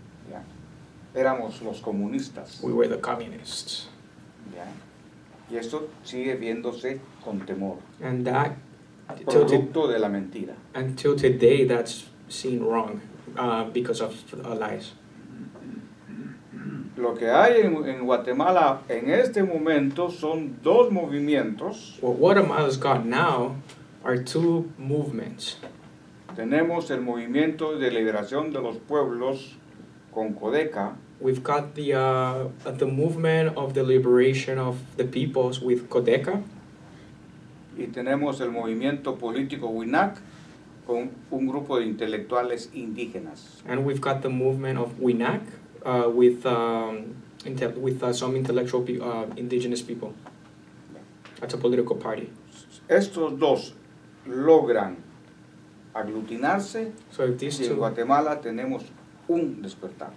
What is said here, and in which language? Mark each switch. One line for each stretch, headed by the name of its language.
English: Yeah.
Spanish: Éramos los comunistas.
English: We were the communists. Yeah.
Spanish: Y esto sigue viéndose con temor.
English: And that...
Spanish: Producto de la mentira.
English: Until today, that's seen wrong because of lies.
Spanish: Lo que hay en Guatemala en este momento son dos movimientos.
English: What Guatemala's got now are two movements.
Spanish: Tenemos el movimiento de liberación de los pueblos con CODECA.
English: We've got the movement of the liberation of the peoples with CODECA.
Spanish: Y tenemos el movimiento político WINAC con un grupo de intelectuales indígenas.
English: And we've got the movement of WINAC some intellectual indigenous people. That's a political party.
Spanish: Estos dos logran aglutinarse.
English: So if these two,
Spanish: en Guatemala tenemos un despertar.